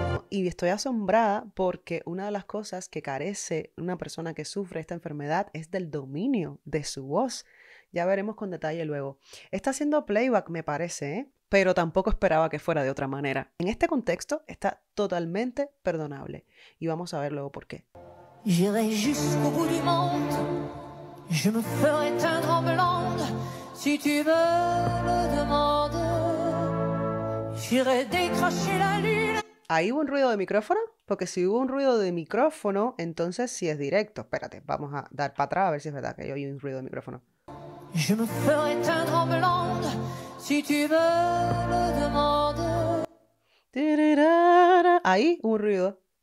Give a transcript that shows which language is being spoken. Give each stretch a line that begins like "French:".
Spanish: Y estoy asombrada porque una de las cosas que carece una persona que sufre esta enfermedad es del dominio de su voz. Ya veremos con detalle luego. Está haciendo playback, me parece, ¿eh? Pero tampoco esperaba que fuera de otra manera. En este contexto está totalmente perdonable. Y vamos a ver luego por qué.
French: J'irai jusqu'au bout du monde. Je me ferai teindre en blonde. Si tu me le demandes. J'irai décrocher la lune.
Spanish: ¿Ahí hubo un ruido de micrófono? Porque si hubo un ruido de micrófono, entonces sí es directo. Espérate, vamos a dar para atrás a ver si es verdad que yo oí un ruido de micrófono. Ahí hubo un ruido.